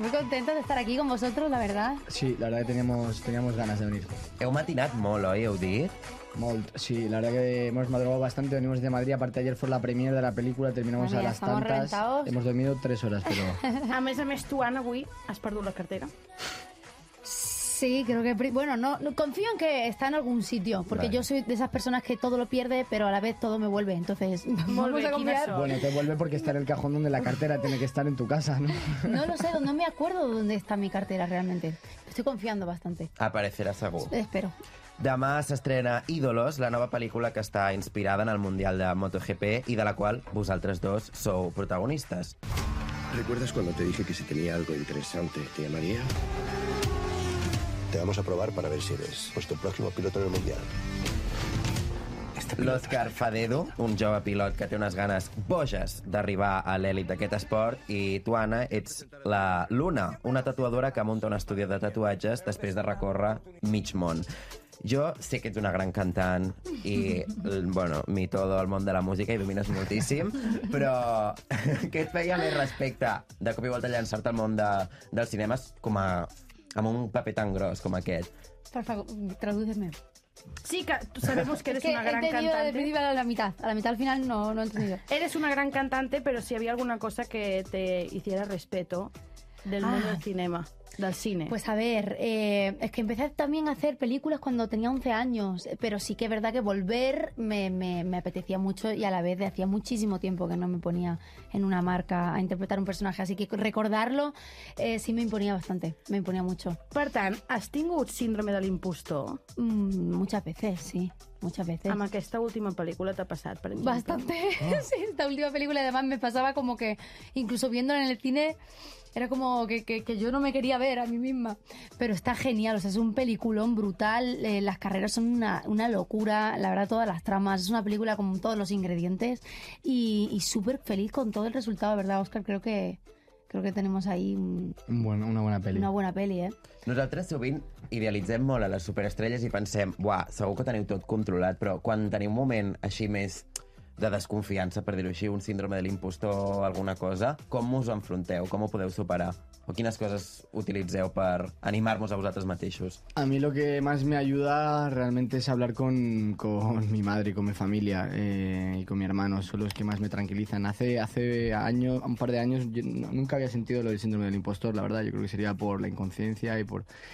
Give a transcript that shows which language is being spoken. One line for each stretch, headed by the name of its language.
Spanish: Muy contenta de estar aquí con vosotros, la verdad. Sí, la verdad que teníamos ganas de venir.
Catalan: Heu matinat molt, oi? Heu dit? Molt,
Spanish: sí, la verdad que hemos madrugado bastante, venimos de Madrid, aparte ayer fue la premiere de la película, terminamos a las tantas, hemos dormido 3 horas, pero...
Catalan: a més, tu, Anna, avui has perdut la cartera.
Spanish: Sí, creo que... Bueno, no confío en que está en algún sitio, porque vale. Yo soy de esas personas que todo lo pierde, pero a la vez todo me vuelve, entonces... ¿Vamos a confiar? Bueno, te vuelve porque está en el cajón donde la cartera tiene que estar en tu casa, ¿no? No lo sé, no me acuerdo dónde está mi cartera realmente. Estoy confiando bastante. Aparecerá seguro. Espero.
Catalan: Demà s'estrena Ídolos, la nova pel·lícula que està inspirada en el Mundial de MotoGP i de la qual vosaltres dos sou protagonistes.
Spanish: ¿Recuerdas cuando te dije que si tenía algo interesante te llamaría? Te vamos a probar para ver si eres nuestro próximo piloto en el Mundial.
Catalan: L'Òscar Fadedo, un jove pilot que té unes ganes boges d'arribar a l'èlit d'aquest esport, i tu, Anna, ets la Luna, una tatuadora que munta un estudi de tatuatges després de recórrer mig món. Jo sé que ets una gran cantant i, bueno, mi todo el món de la música i domines moltíssim, però què et feia més respecte de cop i volta llançar-te al món del cinema com a, amb un paper tan gros com aquest? Per favor,
Spanish: tradúceme. Sí, que sabemos que eres que una gran cantante. He entendido a la mitad. A la mitad al final no he entendido. Eres una gran cantante, pero si había alguna cosa que te hiciera respeto del mundo del cinema. Del cine. Pues a ver, es que empecé también a hacer películas cuando tenía 11 años, pero sí que es verdad que volver me apetecía mucho y a la vez de hacía muchísimo tiempo que no me ponía en una marca a interpretar un personaje, así que recordarlo sí me imponía bastante, me imponía mucho.
Catalan: Per tant, ¿has tingut síndrome de l'impostor?
Spanish: Muchas veces, sí. Muchas veces.
Catalan: Amb aquesta última pel·lícula t'ha passat, per exemple.
Spanish: Bastante. Oh. Sí, esta última película, además, me pasaba como que incluso viéndola en el cine era como que yo no me quería ver a mí misma. Pero está genial, o sea, es un peliculón brutal. Las carreras son una locura, la verdad, todas las tramas. Es una película con todos los ingredientes y súper feliz con todo el resultado, ¿verdad, Óscar? Creo que tenemos ahí una buena peli, ¿eh?
Catalan: Nosaltres sovint idealitzem molt a les superestrelles i pensem, buah, segur que ho teniu tot controlat, però quan teniu un moment així més de desconfiança, per dir-ho així, un síndrome de l'impostor o alguna cosa, com us ho enfronteu? Com ho podeu superar? O quines coses utilitzeu per animar-vos a vosaltres mateixos?
Spanish: A mí lo que más me ayuda realmente es hablar con mi madre, con mi familia y con mi hermano. Son los que más me tranquilizan. Hace un par de años nunca había sentido lo del síndrome del impostor, la verdad. Yo creo que sería por la inconsciencia y por...